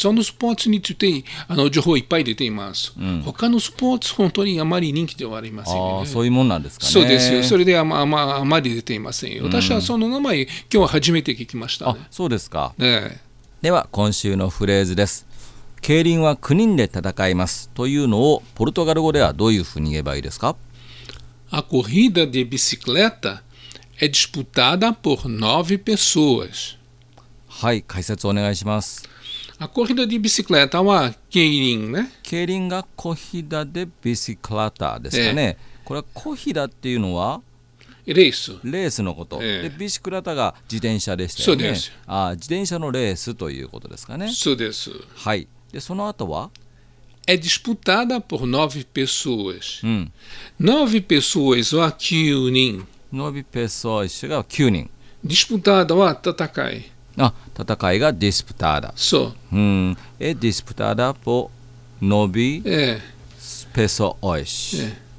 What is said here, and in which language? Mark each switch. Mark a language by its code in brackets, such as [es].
[ja] そのスポーツについて情報いっぱい出ています、うん、他のスポーツ本当にあまり人気ではありませんよ、ね、あ、そういうもんなんですかね。そうですよ。それで あまり出ていません。私はその名前、うん、今日は初めて聞きました、ね、あ、そうですか、ね、では今週のフレーズです。競輪は9人で戦いますというのをポルトガル語ではどういうふうに言えばいいですか？ [pt] A corrida de bicicleta é disputada por 9 pessoas. [ja] はい、解説お願いします。 [pt] A corrida de bicicleta [ja] は競輪ね。競輪がコヒダでビシクラタですかね。これはコヒダっていうのはレース。レースのこと。で、ビシクラタが自転車でしたよね。そうです。あ、自転車のレースということですかね。そうです。はい。で、その後は [pt] É disputada por 9 pessoas. 9 pessoas [ja] は9人. [pt] 9 pessoas [ja] が9人. [pt] Disputada [ja] は戦い. あ、戦いが [pt] disputada. [ja] そう。 [pt] É disputada por 9 pessoas.